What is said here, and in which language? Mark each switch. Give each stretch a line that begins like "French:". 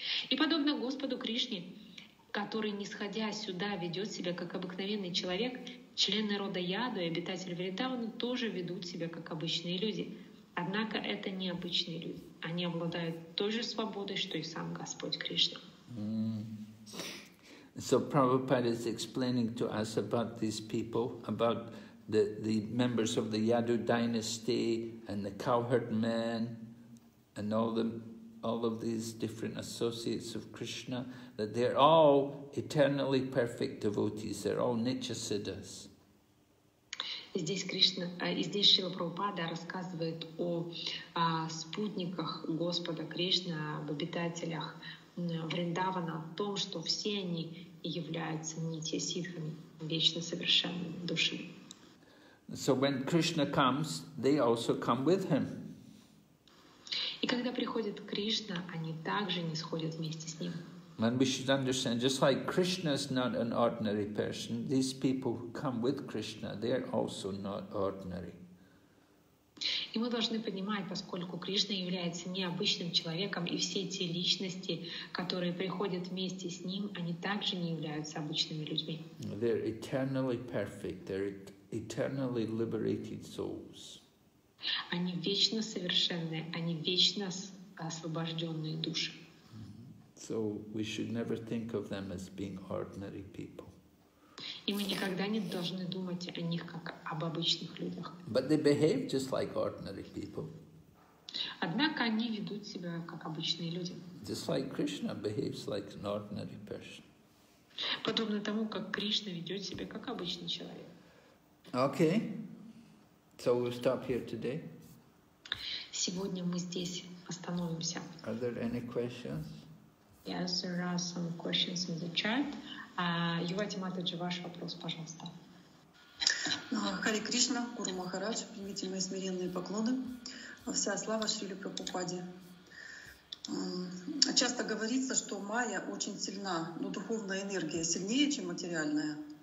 Russian: И подобно Господу Кришне, который, нисходя сюда, ведет себя как обыкновенный человек, члены рода Яду и обитатели Вриндавана тоже ведут себя как обычные люди. Однако это не обычные люди. Они обладают той же свободой, что и сам Господь Кришна.
English: So Prabhupada is explaining to us about these people, about the members of the Yadu dynasty and the cowherd men and all of these different associates of Krishna, that they're all eternally perfect devotees, they're all nitya siddhas.
Russian: Здесь Кришна, здесь Шрила Прабхупада рассказывает о спутниках Господа Кришны, об обитателях Вриндавана, о том, что все они являются нитья сиддхами, вечно совершенными душами.
English: So when Krishna comes, they also come with him.
Russian: И когда приходит Кришна, они также нисходят вместе с ним.
English: And we should understand, just like Krishna is not an ordinary person, these people who come with Krishna, they are also not ordinary.
Russian: И мы должны понимать, поскольку Кришна является необычным человеком, и все те личности, которые приходят вместе с ним, они также не являются обычными людьми.
English: They are eternally perfect. They are eternally liberated souls.
Russian: Они вечно совершенные, они вечно освобожденные души.
English: So we should never think of them as being ordinary people.
Russian: И мы никогда не должны думать о них как об обычных людях.
English: But they behave just like ordinary people.
Russian: Однако они ведут себя как обычные люди.
English: Just like Krishna behaves like an ordinary person.
Russian: Подобно тому, как Кришна ведет себя как обычный человек.
English: Okay. So we'll stop here today.
Russian: Сегодня мы здесь остановимся.
English: Are there any questions? Yes, there are some questions in the chat.
Russian: Yuvati Mataji, ваш вопрос, пожалуйста. Хари Кришна, Гуру Махарадж, примите мои смиренные поклоны. Вся слава Шриле Прабхупаде. Часто говорится, что майя очень сильна, но духовная энергия сильнее, чем материальная.